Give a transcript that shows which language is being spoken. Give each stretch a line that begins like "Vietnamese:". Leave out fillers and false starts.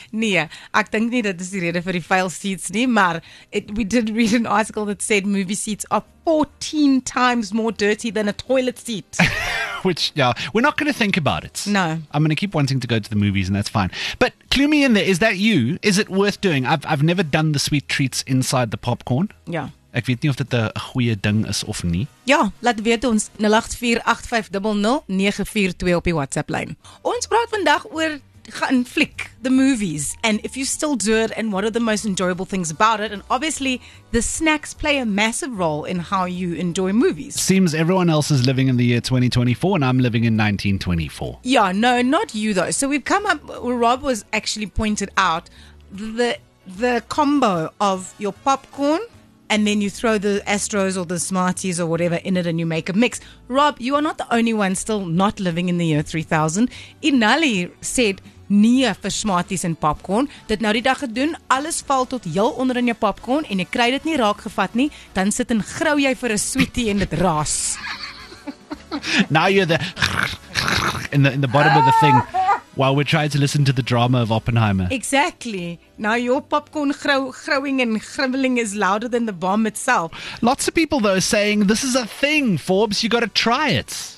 Afrikaans: Nee, ek dink nie dit is die rede vir die vuil seats nie,
English: maar we did read an article that said movie seats are 14 times more dirty than a toilet seat. Which, yeah, we're not going to think about it. No. I'm going to keep wanting to go to the movies and that's fine. But clue me in there, is that you? Is it worth doing? I've never done the sweet treats inside the popcorn. Yeah.
Afrikaans: Ek weet nie of dit 'n goeie ding is of nie. Ja, laat weet ons 084-8500-942 op die WhatsApp-lyn. Ons praat vandag oor
English: gaan flick the movies, and if you still do it, and what are the most enjoyable things about it? And obviously, the snacks play a massive role in how you enjoy movies. Seems everyone else is living in the year 2024, and I'm living in 1924. Yeah, no, not you though. So we've come up. Well, Rob was actually pointed out the combo of your popcorn. And then you throw the Astros or the Smarties or whatever in it and you make a mix. Rob, you are not the only one still not living in the year 3000.
Afrikaans: Inali said, nee vir Smarties en popcorn. Dit nou die dag gedoen, alles val tot heel onder in jou popcorn en jy kry dit nie raak gevat nie. Dan sit en grou jy vir 'n sweetie en dit raas.
English: Now you're in the bottom of the thing. While we're trying to listen to the drama of Oppenheimer. Exactly. Now your popcorn growing and grumbling is louder than the bomb itself. Lots of people, though, are saying this is a thing, Forbes. You got to try it.